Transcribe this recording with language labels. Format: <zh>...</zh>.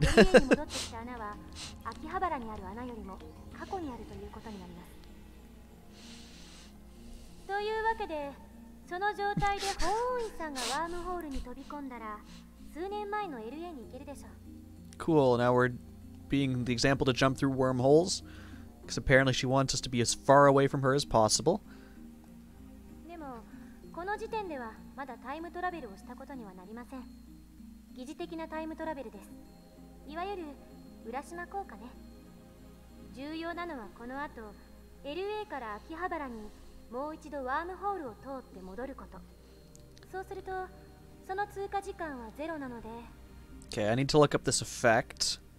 <ja>LA に戻ってきた穴は秋葉原にある穴よりも過去にあるということになります。というわけで、その状態で鳳凰さんがワームホールに飛び込んだら、数年前の LA に行けるでしょう。</ja> <en>Cool, now we're being the example to jump through wormholes, because apparently she wants us to be as far away from her as possible.</en> <ja>でも、この時点ではまだタイムトラベルをしたことにはなりません。疑似的なタイムトラベルです。いわゆる浦島効果ね。重要なのはこの後、LA から秋葉原にもう一度ワームホールを通って戻ること。そうすると、その通過時間はゼロなので。</ja> <en>Okay, I need to look up this effect.</en>